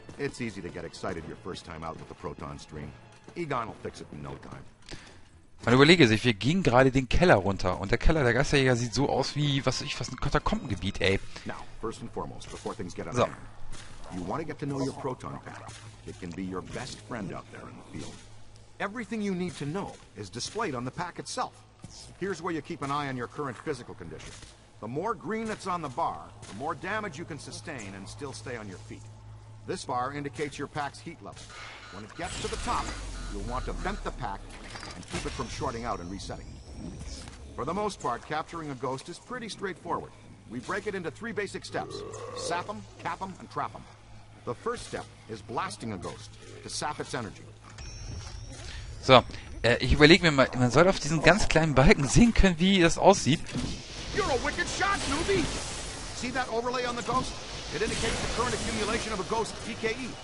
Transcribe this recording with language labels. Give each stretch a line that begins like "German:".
English: It's easy to get excited your first time out with the proton stream. Egon will fix it in no time.
German: Man überlege sich, wir gingen gerade den Keller runter und der Keller der Geisterjäger sieht so aus wie, was weiß ich, was ein Katakombengebiet, ey.
English: Now, first and foremost, before things get out of hand, you want to get to know your proton pack. It can be your best friend out there in the field. Everything you need to know is displayed on the pack itself. Here's where you keep an eye on your current physical condition. The more green that's on the bar, the more damage you can sustain and still stay on your feet. This bar indicates your pack's heat level. When it gets to the top, you'll want to vent the pack and keep it from shorting out and resetting. For the most part, capturing a ghost is pretty straightforward. We break it into three basic steps. Sap them, cap them, and trap them. The first step is blasting a ghost to sap its energy.
German: So, ich überlege mir mal, man soll auf diesen ganz kleinen Balken sehen können, wie das aussieht.
English: You're a wicked shot, newbie! See that overlay on the ghost? It indicates the current accumulation of a ghost DKE.